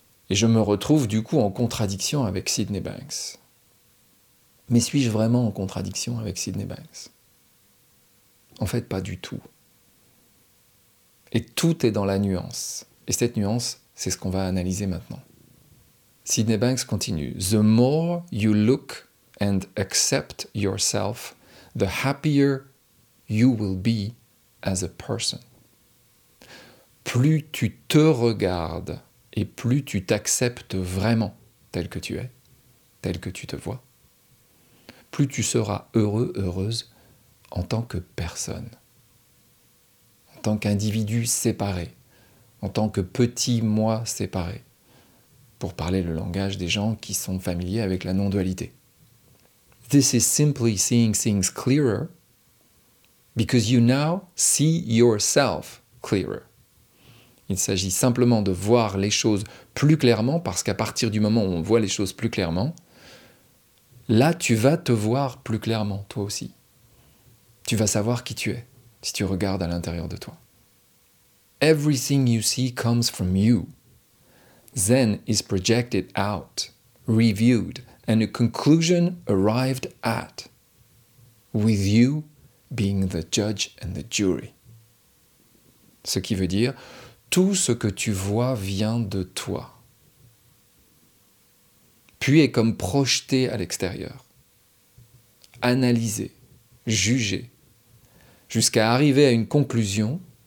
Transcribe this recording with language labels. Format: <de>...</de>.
<fr>Et je me retrouve du coup en contradiction avec Sydney Banks. Mais suis-je vraiment en contradiction avec Sydney Banks ? En fait, pas du tout. Et tout est dans la nuance. Et cette nuance, c'est ce qu'on va analyser maintenant. Sydney Banks continue.</fr> <en>The more you look and accept yourself, the happier you will be as a person.</en> <fr>Plus tu te regardes et plus tu t'acceptes vraiment tel que tu es, tel que tu te vois, plus tu seras heureux, heureuse en tant que personne, en tant qu'individu séparé, en tant que petit moi séparé, pour parler le langage des gens qui sont familiers avec la non-dualité.</fr> <en>This is simply seeing things clearer because you now see yourself clearer.</en> <fr>Il s'agit simplement de voir les choses plus clairement parce qu'à partir du moment où on voit les choses plus clairement, là, tu vas te voir plus clairement, toi aussi. Tu vas savoir qui tu es si tu regardes à l'intérieur de toi.</fr> <en>Everything you see comes from you. Then is projected out, reviewed, and a conclusion arrived at, with you being the judge and the jury.</en> <fr>Ce qui veut dire, tout ce que tu vois vient de toi, puis est comme projeté à l'extérieur, analysé, jugé, jusqu'à arriver à une conclusion.</fr>